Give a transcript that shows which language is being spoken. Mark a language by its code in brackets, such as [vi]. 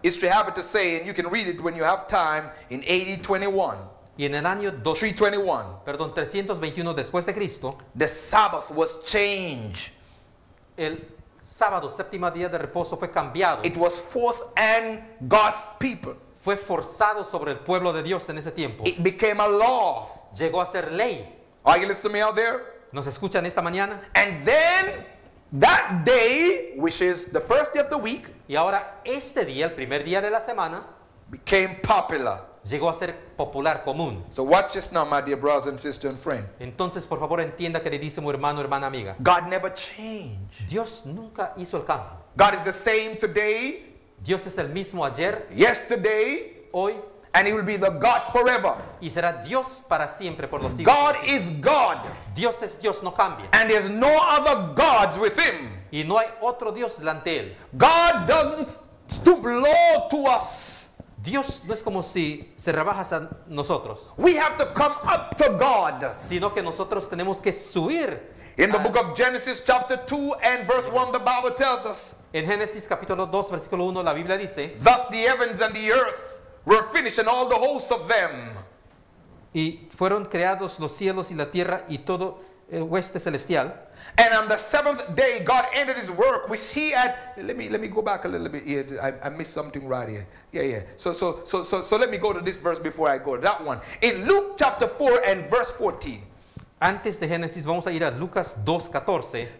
[en] History happened to say, and you can read it when you have time, in AD 21. [es] Y en el año 321 después de Cristo, [en] the Sabbath was changed. [es] El sábado, séptimo día de reposo, fue cambiado. [en] It was forced on God's people. [es] Fue forzado sobre el pueblo de Dios en ese tiempo. [en] It became a law. [es] Llegó a ser ley. [en] Are you listening to me out there? [es] ¿Nos escuchan esta mañana? [en] And then that day, which is the first day of the week, [es] y ahora este día, el primer día de la semana, [en] became popular. [es] Llegó a ser popular, común. [en] So watch this now, my dear brothers and sisters and friends. [es] Entonces, por favor, entienda, queridísimo hermano, hermana, amiga. [en] God never changed. [es] Dios nunca hizo el cambio. [en] God is the same today. [es] Dios es el mismo ayer. [en] Yesterday. [es] Hoy. [en] And He will be the God forever. [es] Y será Dios para siempre, por los siglos. [en] God is God. [es] Dios es Dios, no cambia. [en] And there's no other gods with Him. [es] Y no hay otro Dios delante Él. [en] God doesn't stoop low to us. [es] Dios no es como si se rebaja a nosotros. [en] We have to come up to God. [es] Sino que nosotros tenemos que subir. [en] In the book of Genesis chapter 2 and verse 1, the Bible tells us. [es] En Génesis capítulo 2, versículo 1, la Biblia dice. [en] Thus the heavens and the earth were finished and all the hosts of them. [es] Y fueron creados los cielos y la tierra y todo el hueste celestial. [en] And on the seventh day, God ended His work, which He had. Let me go back a little bit here. I missed something right here. Yeah. So let me go to this verse before I go to that one. In Luke chapter 4 and verse 14. [es] Antes de Génesis, vamos a ir a Lucas 2:14.